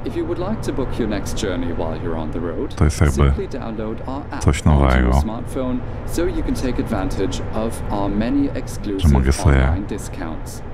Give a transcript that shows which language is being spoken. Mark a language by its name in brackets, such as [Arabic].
[English] If you would like to book your next journey while you're on the road, [Polish] to jest jakby coś nowego. [English] Smartphone, so you can take advantage of our many exclusive online discounts.